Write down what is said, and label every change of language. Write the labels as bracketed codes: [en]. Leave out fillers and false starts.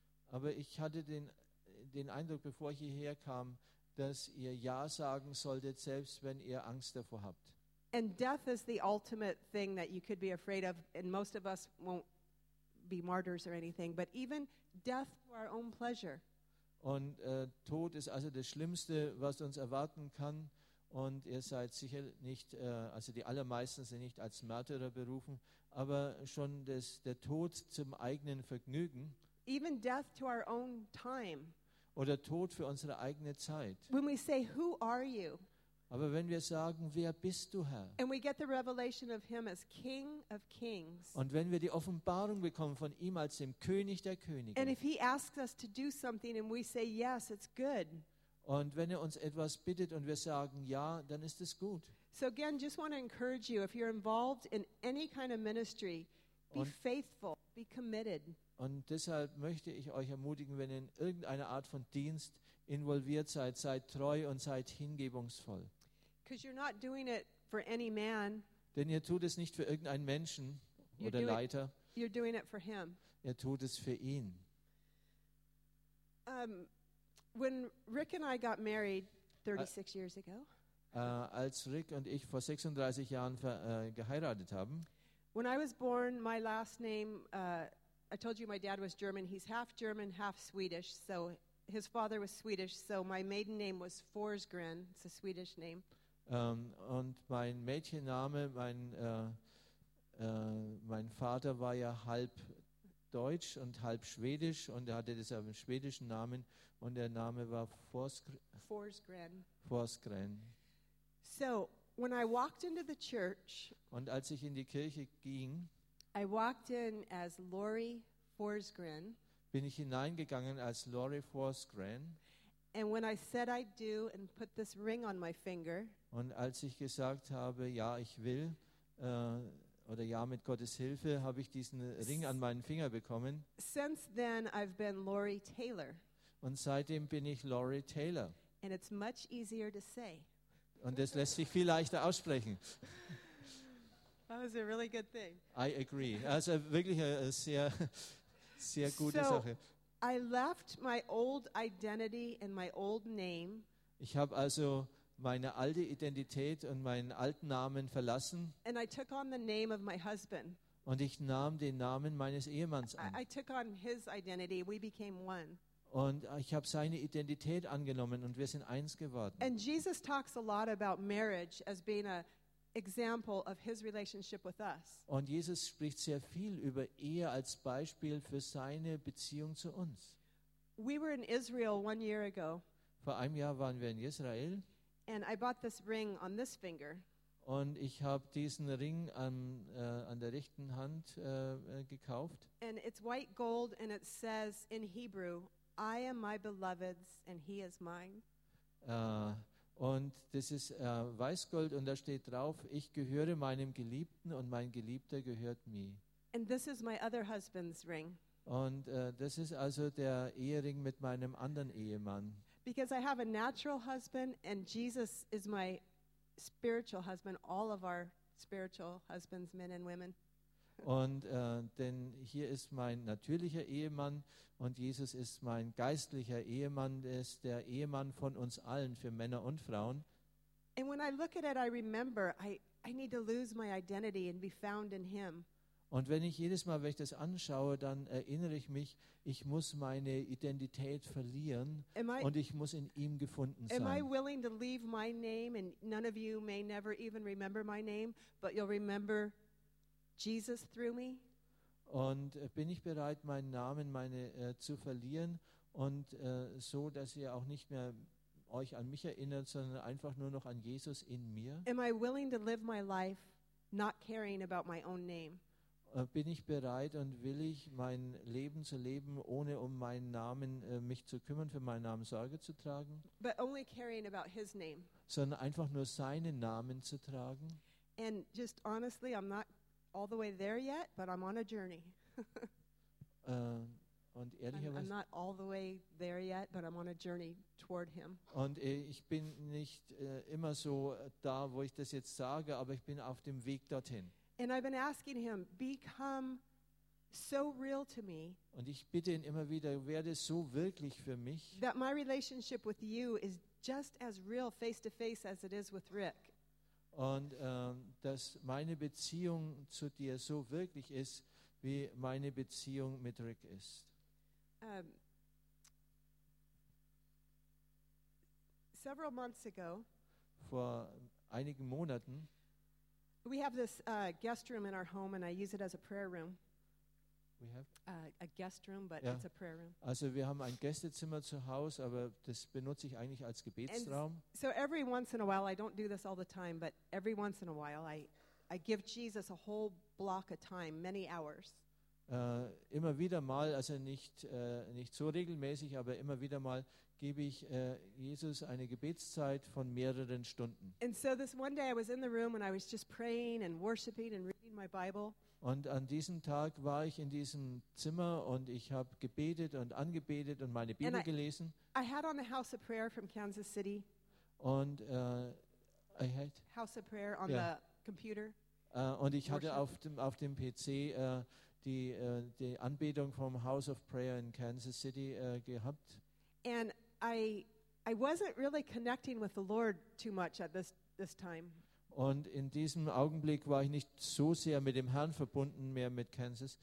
[de] Aber ich hatte den Eindruck, bevor ich hierher kam, dass ihr ja sagen solltet, selbst wenn ihr Angst davor habt. [en] And death is the ultimate thing that you could be afraid of, and most of us won't be martyrs or anything, but even death for our own pleasure. [de] Und Tod ist also das Schlimmste, was uns erwarten kann, und ihr seid sicher nicht, also die allermeisten sind nicht als Märtyrer berufen, aber schon der Tod zum eigenen Vergnügen. [en] Even death to our own time. [de] Oder Tod für unsere eigene Zeit. [en] When we say, who are you? [de] Aber wenn wir sagen, wer bist du, Herr? [en] And we get the revelation of him as King of Kings. [de] Und wenn wir die Offenbarung bekommen von ihm als dem König der Könige. [en] And if he asks us to do something and we say yes, it's good. [de] Und wenn er uns etwas bittet und wir sagen ja, dann ist es gut. [en] So again, just want to encourage you, if you're involved in any kind of ministry, be faithful, be committed. [de] Und deshalb möchte ich euch ermutigen, wenn ihr in irgendeiner Art von Dienst involviert seid, seid treu und seid hingebungsvoll. [en] Because you're not doing it for any man. [de] Denn ihr tut es nicht für irgendeinen Menschen oder Leiter. [en] You're doing it for him. [de] Ihr tut es für ihn. [en] When Rick and I got married 36 years ago. [de] Als Rick und ich vor 36 Jahren geheiratet haben. [en] When I was born, my last name, I told you my dad was German. He's half German, half Swedish. So his father was Swedish. So my maiden name was Forsgren. It's a Swedish name. [de] Und mein Mädchenname, mein Vater war ja halb Deutsch und halb Schwedisch. Und er hatte deshalb einen schwedischen Namen. Und der Name war Forsgren. [en] Forsgren. So when I walked into the church. [de] Und als ich in die Kirche ging. [en] I walked in as Lori Forsgren. [de] Bin ich hineingegangen als Lori Forsgren. [en] And when I said I do and put this ring on my finger. [de] Und als ich gesagt habe, ja, ich will, oder ja, mit Gottes Hilfe, habe ich diesen Ring an meinen Finger bekommen. [en] Since then I've been Lori Taylor. [de] Und seitdem bin ich Lori Taylor. [en] And it's much easier to say. [de] Und es lässt sich viel leichter aussprechen. [en] That was a really good thing. I agree. [de] Also wirklich eine sehr, sehr gute Sache. [en] I left my old identity and my old name. [de] Ich habe also meine alte Identität und meinen alten Namen verlassen. [en] And I took on the name of my husband. [de] Und ich nahm den Namen meines Ehemanns an. [en] I took on his identity. We became one. [de] Und ich habe seine Identität angenommen und wir sind eins geworden. [en] And Jesus talks a lot about marriage as being a example of his relationship with us. [de] Und Jesus spricht sehr viel über Ehe als Beispiel für seine Beziehung zu uns. [en] We were in Israel 1 year ago. [de] Vor einem Jahr waren wir in Israel. [en] And I bought this ring on this finger. [de] Und ich habe diesen Ring an der rechten Hand gekauft. [en] And it's white gold and it says in Hebrew, I am my beloved's and he is mine. [de] Und das ist Weißgold und da steht drauf, ich gehöre meinem Geliebten und mein Geliebter gehört mir. [en] And this is my other husband's ring. [de] Und das ist also der Ehering mit meinem anderen Ehemann. [en] Because I have a natural husband and Jesus is my spiritual husband, all of our spiritual husbands, men and women. [de] Und denn hier ist mein natürlicher Ehemann und Jesus ist mein geistlicher Ehemann, ist der Ehemann von uns allen, für Männer und Frauen. [en] And when I look at it, I remember I need to lose my identity and be found in him. [de] Und wenn ich jedes Mal, wenn ich das anschaue, dann erinnere ich mich, ich muss meine Identität verlieren und ich muss in ihm gefunden sein. [en] Am I willing to leave my name, and none of you may never even remember my name, but you'll remember Jesus through me? [de] Und bin ich bereit, meinen Namen zu verlieren und so, dass ihr auch nicht mehr euch an mich erinnert, sondern einfach nur noch an Jesus in mir? [en] Am I willing to live my life not caring about my own name? [de] Bin ich bereit und willig, mein Leben zu leben, ohne um meinen Namen mich zu kümmern, für meinen Namen Sorge zu tragen? [en] But only caring about his name. [de] Sondern einfach nur seinen Namen zu tragen. [en] And just honestly, I'm not all the way there yet, but I'm on a journey. [de] Und ehrlicherweise, [en] I'm not all the way there yet, but I'm on a journey toward him. [de] Und ich bin nicht immer so da, wo ich das jetzt sage, aber ich bin auf dem Weg dorthin. [en] And I've been asking him, become so real to me. [de] Und ich bitte ihn immer wieder, werde so wirklich für mich. [en] That my relationship with you is just as real face to face as it is with Rick. [de] Und dass meine Beziehung zu dir so wirklich ist, wie meine Beziehung mit Rick ist. [en] Several months ago. [de] Vor einigen Monaten. [en] We have this guest room in our home, and I use it as a prayer room. We have a guest room, but yeah. It's a prayer room. [de] Also, wir haben ein Gästezimmer zu Hause, aber das benutze ich eigentlich als Gebetsraum. [en] And so every once in a while, I don't do this all the time, but every once in a while, I give Jesus a whole block of time, many hours. [de] Immer wieder mal, also nicht so regelmäßig, aber immer wieder mal gebe ich Jesus eine Gebetszeit von mehreren Stunden. [en] And so this one day I was in the room and I was just praying and worshiping and reading my Bible. [de] Und an diesem Tag war ich in diesem Zimmer und ich habe gebetet und angebetet und meine Bibel gelesen. [en] I had on a house of prayer from Kansas City. [de] Und [en] I had house of prayer on the computer. [de] Und ich hatte auf dem PC die Anbetung vom House of Prayer in Kansas City gehabt. [en] And I wasn't really connecting with the Lord too much at this time. [de] Und in diesem Augenblick war ich nicht so sehr mit dem Herrn verbunden, mehr mit Kansas.